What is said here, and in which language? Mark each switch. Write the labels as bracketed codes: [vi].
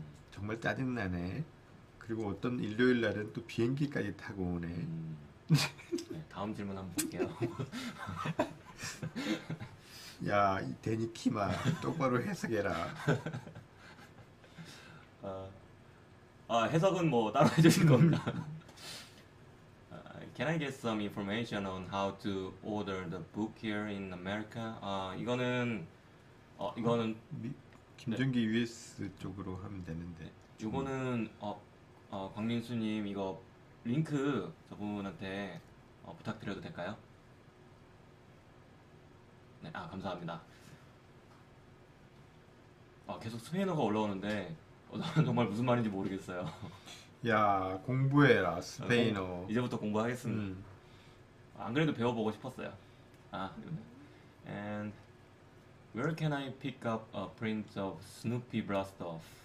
[ko] 정말 짜증나네. 그리고 어떤 일요일 날은 또 비행기까지 타고 오네. 네, 다음 질문 한번 볼게요. 야, 이 데니키마, 똑바로 해석해라. 해석은 뭐 따로 해주신 겁니다. [en] Can I get some information on how to order the book here in America? [ko] 이거는 김정기 US 쪽으로 하면 되는데, 중국. 이거는 광민수님 이거 링크 저분한테 부탁드려도 될까요? 네, 감사합니다. 계속 스페인어가 올라오는데 정말 무슨 말인지 모르겠어요. 야, 공부해라, 스페인어. 이제부터 공부하겠습니다. 안 그래도 배워보고 싶었어요. [en] And where can I pick up a print of Snoopy Blast Off?